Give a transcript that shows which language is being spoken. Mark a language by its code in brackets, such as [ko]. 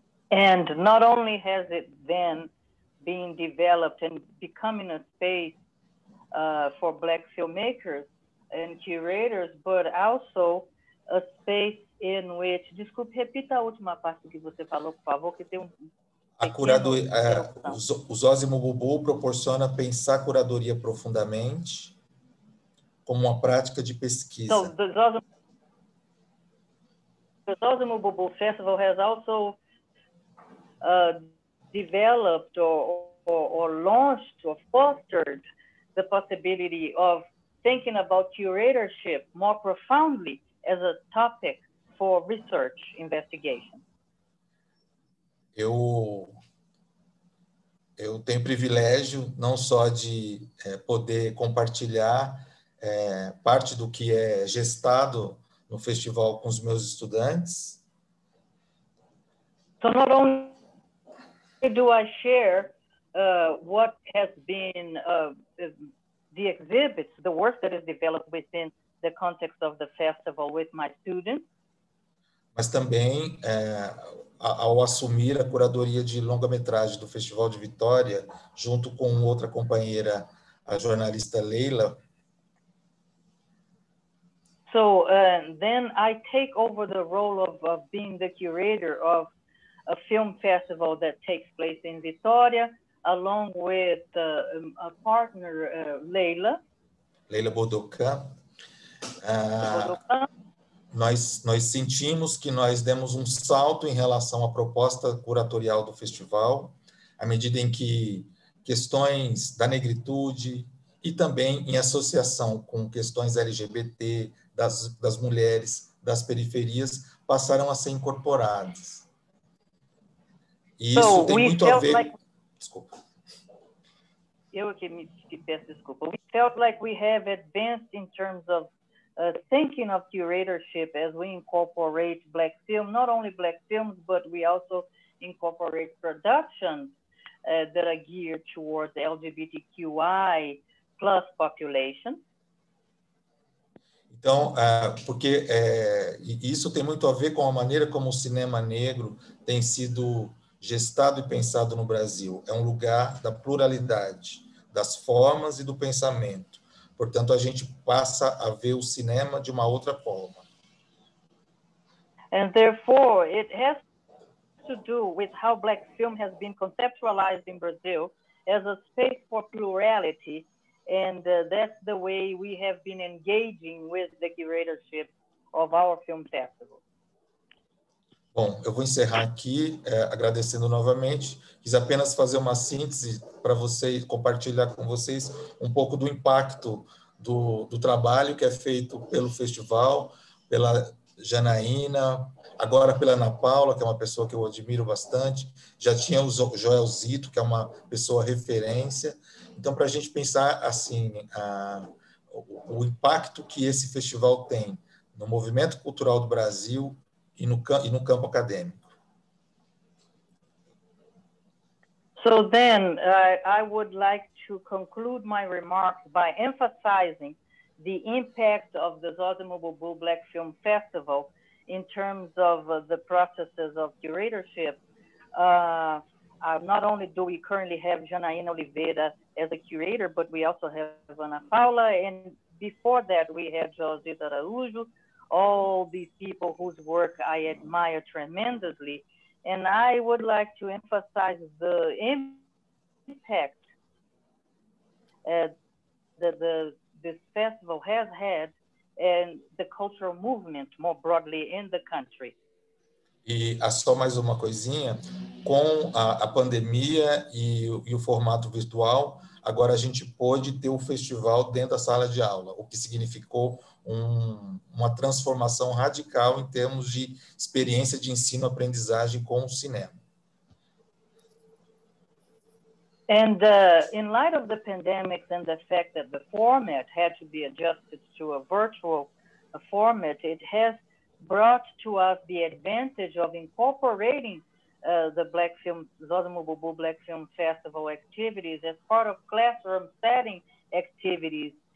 [en] And not only has it then been developed and becoming a space for Black filmmakers and curators, but also a space in which... [pt] Desculpe, repita a última parte que você falou, por favor, que tem A curadoria, o Zozimo Bulbul proporciona pensar a curadoria profundamente como uma prática de pesquisa. [en] So, the Zozimo Bulbul Festival has also developed or launched or fostered the possibility of thinking about curatorship more profoundly as a topic for research investigation. [pt] Eu tenho privilégio não só de poder compartilhar parte do que é gestado no festival com os meus estudantes. [en] So not only do I share what has been the exhibits, the work that is developed within the context of the festival with my students. [pt] Mas também ao assumir a curadoria de longa-metragem do Festival de Vitória, junto com outra companheira, a jornalista Leila. [en] So, then I take over the role of being the curator of a film festival that takes place in Vitória, along with a partner, Leila. Leila Bodocan. [pt] Nós sentimos que nós demos um salto em relação à proposta curatorial do festival, à medida em que questões da negritude e também em associação com questões LGBT, das mulheres, das periferias, passaram a ser incorporadas. E isso tem muito a ver... Desculpa. Eu que me peço desculpa. [en] We felt like we have advanced in terms of thinking of curatorship as we incorporate Black film, not only Black films, but we also incorporate productions that are geared towards LGBTQI plus population. [pt] Então, porque isso tem muito a ver com a maneira como o cinema negro tem sido gestado e pensado no Brasil. É um lugar da pluralidade, das formas e do pensamento. Portanto, a gente passa a ver o cinema de uma outra forma. [en] And therefore, it has to do with how Black film has been conceptualized in Brazil as a space for plurality And that's the way we have been engaging with the curatorship of our film festival. [pt] Bom, eu vou encerrar aqui, agradecendo novamente. Quis apenas fazer uma síntese para vocês, compartilhar com vocês um pouco do impacto do trabalho que é feito pelo festival, pela Janaína, agora pela Ana Paula, que é uma pessoa que eu admiro bastante. Já tinha o Joel Zito, que é uma pessoa referência. Então, para a gente pensar assim, o impacto que esse festival tem no movimento cultural do Brasil e no campo acadêmico. [en] So then, I would like to conclude my remarks by emphasizing the impact of the Zozimo Bulbul Black Film Festival in terms of the processes of curatorship. Not only do we currently have Janaína Oliveira as a curator, but we also have Ana Paula, and before that we had José Araújo, all these people whose work I admire tremendously. And I would like to emphasize the impact that this festival has had and the cultural movement more broadly in the country. [pt] E só mais uma coisinha, com a pandemia e o formato virtual, agora a gente pôde ter o festival dentro da sala de aula, o que significou uma transformação radical em termos de experiência de ensino-aprendizagem com o cinema. [en] And in light of the pandemic and the fact that the format had to be adjusted to a virtual format, it has brought to us the advantage of incorporating the Black Film, Zozimo Bulbul Black Film Festival activities as part of classroom setting activities.